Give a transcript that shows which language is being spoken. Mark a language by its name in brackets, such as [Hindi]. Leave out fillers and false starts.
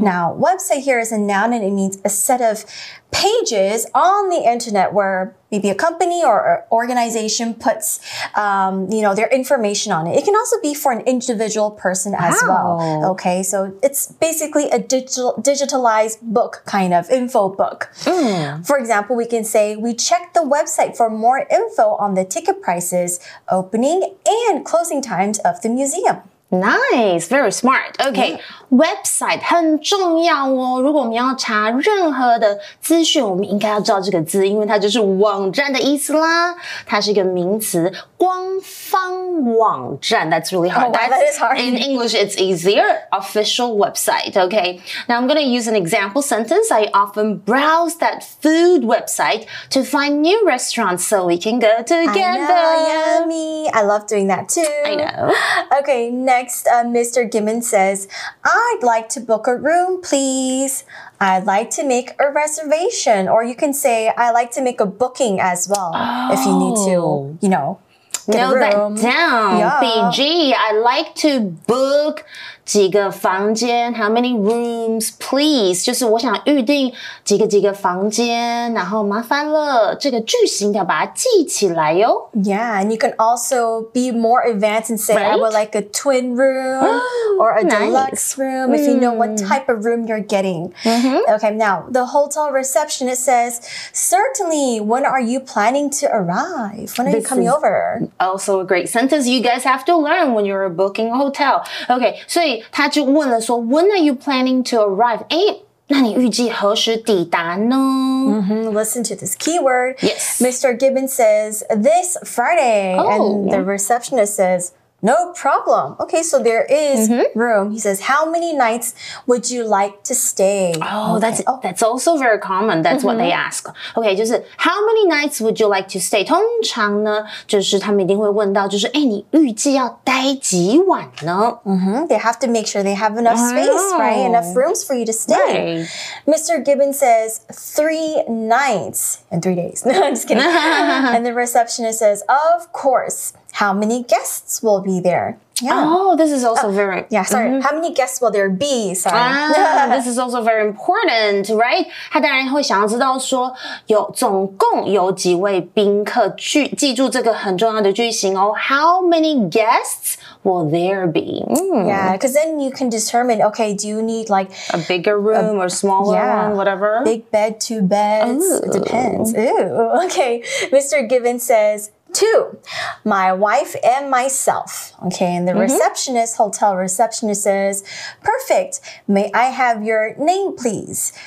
[English] Now, website here is a noun and it means a set of pages on the internet where maybe a company or organization puts, you know, their information on it. It can also be for an individual person as well. Okay, so it's basically a digitalized book, kind of info book. For example, we can say we checked the website for more info on the ticket prices, opening and closing times of the museum. Nice, very smart. Okay. [Chinese] Website 很重要哦，如果我们要查任何的资讯，我们应该要知道这个字，因为它就是网站的意思啦。它是一个名词，官方网站。 [English] That's really hard. That is hard. In English, it's easier. Official website. Okay. Now I'm going to use an example sentence. I often browse that food website to find new restaurants so we can go together. I know, yummy. I love doing that too. I know. Okay. Next, Mr. Gimmon says, I'd like to book a room, please. I'd like to make a reservation. Or you can say, I'd like to make a booking as well, if you need to, you know, get a room. Note that down. Yeah. BG, I'd like to book [Chinese] 几个房间, [English] how many rooms, please. [Chinese] 就是我想预定几个几个房间,然后麻烦了,这个句型要把它记起来哟。 [English] Yeah, and you can also be more advanced and say, right? I would like a twin room or a deluxe room, if you know what type of room you're getting. Okay, now, the hotel reception, it says, certainly, when are you planning to arrive? When are This you coming over? Also a great sentence you guys have to learn when you're booking a hotel. Okay, so [Chinese] 他就问了说 [English] When are you planning to arrive? [Chinese] 诶那你预计何时抵达呢 [English] Listen to this keyword. Yes. Mr. Gibbons says, this Friday. Oh, and the receptionist says, no problem. Okay, so there is room. He says, how many nights would you like to stay? That's also very common. That's what they ask. Okay, [Chinese] 就是 [English] how many nights would you like to stay? [Chinese] 通常呢就是他们一定会问到就是你预计要待几晚呢 [English] They have to make sure they have enough space, right? Enough rooms for you to stay. Right. Mr. Gibbons says, 3 nights and 3 days. No, I'm just kidding. And the receptionist says, of course. How many guests will be there? Yeah. Oh, this is also very... Yeah, sorry. How many guests will there be? Sorry. This is also very important, right? [Chinese] 他当然会想要知道说有总共有几位宾客去记住这个很重要的句型哦。 [English] How many guests will there be? Yeah, because then you can determine, okay, do you need like... A bigger room or smaller one, whatever? Big bed, two beds. Ooh. It depends. Ooh. Okay, Mr. Gibbons says... Two, my wife and myself. Okay, and the receptionist, hotel receptionist says, perfect, may I have your name, please?